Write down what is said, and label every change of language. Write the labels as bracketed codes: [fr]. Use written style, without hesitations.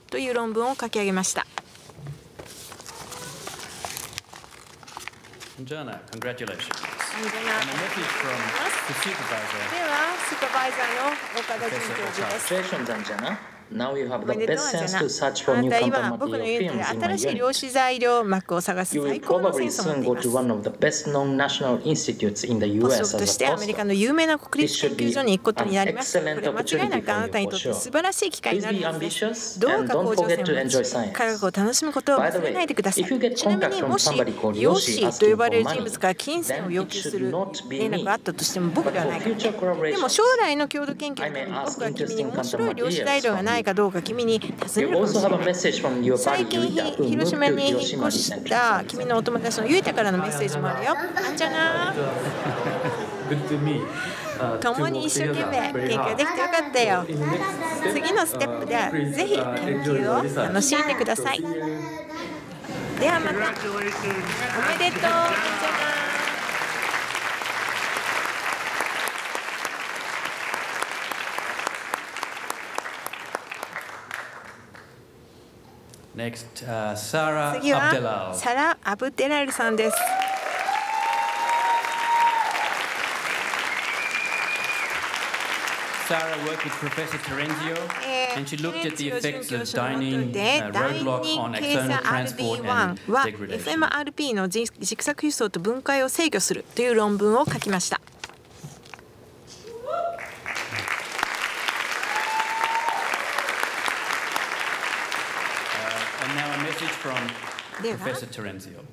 [ja] という論文を書き上げました。 [en] Anjana, congratulations. And a message from the supervisor. [ja] では、スーパーバイザーの岡田准教授です。 [en] Congratulations, Anjana. Now you have the best sense to search for new quantum material films in my unit. You will probably soon go to one of the best known national institutes in the US as a postdoc. This should be an excellent opportunity for you, for sure. Please be ambitious and don't forget to enjoy science. By the way, if you get contact from somebody called Yoshi asking for money, then it should not be me. But for future collaborations, I may ask interesting quantum materials from you. [ja] かどうか君に尋ねるかもしれない。最近広島に引っ越した君のお友達のユイタからのメッセージもあるよ。あんちゃな。共に一生懸命研究できてよかったよ。次のステップではぜひ研究を楽しんでください。ではまた。おめでとう。 [en] Next, Sarah Abdelal. [ja] 次はサラ・アブデラルさんです。 [en] Sarah worked with Professor Terenzio, and she looked at the effects of dining roadblock on external transport and degradation. [ja] FMRP の軸索輸送と分解を制御するという論文を書きました。 [en] And now a message from Professor Terenzio.